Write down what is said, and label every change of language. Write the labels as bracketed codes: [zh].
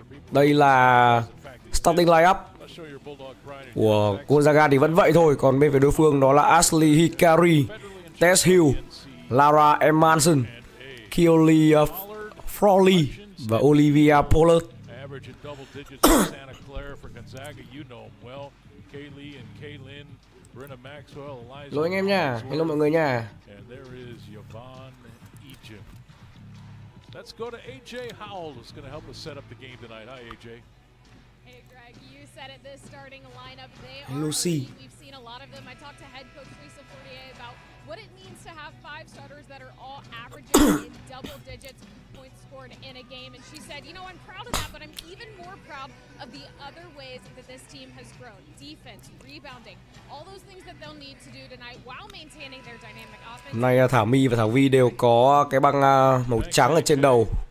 [vi] Đây là starting lineup của Gonzaga thì vẫn vậy thôi. Còn bên phía đối phương đó là Ashley Hikari, Tess Hill, Lara Emanson, Keoli Frawley và Olivia Pollard. [en] Santa Clara for Gonzaga, you know him well. [vi] Kaylee and Kaylin, Brenna Maxwell, Eliza. Lỗi anh em nha. Hello mọi người nha. [en] And there is Yvonne Egypt. Let's go to AJ Howell, who's going to help us set up the game tonight. Hi, AJ. Hey, Greg, you said it, this starting lineup, they are Lucy. We've seen a lot of them. I talked to head coach Lisa Fournier about what it means to have five starters that are all averaging in double digits. In a game, and she said, you know, I'm proud of that, but I'm even more proud of the other ways that this team has grown. Defense, rebounding, all those things that they'll need to do tonight while maintaining their dynamic offense. [vi] Hôm nay Thảo My và Thảo Vy đều có cái băng màu trắng ở trên đầu.